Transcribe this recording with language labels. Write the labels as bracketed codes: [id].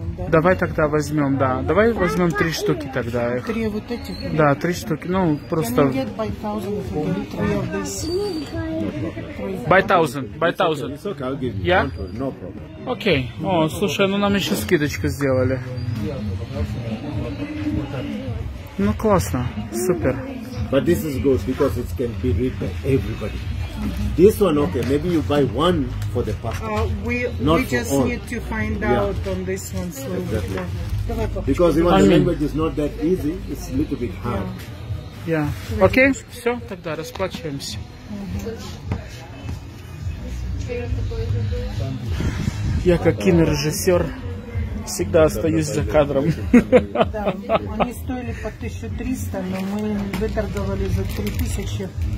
[ru] Давай возьмем три штуки тогда. Их. Три вот этих? Да, три штуки. Ну, просто... [en] By thousand. [ru] Я? Yeah? Окей. Okay. Слушай, нам еще скидочку сделали. Классно. Супер. [en] But this is good, because it can be read by everybody. This one, okay, maybe you buy one for the pastor. We just need to find out on this one. So exactly. Because even the language is not that easy, it's a little bit hard. Yeah. [ru] Okay, все, тогда расплачиваемся. Я как кинорежиссер всегда остаюсь за кадром. Да, они стоили по 1300, но мы выторговали за 3000.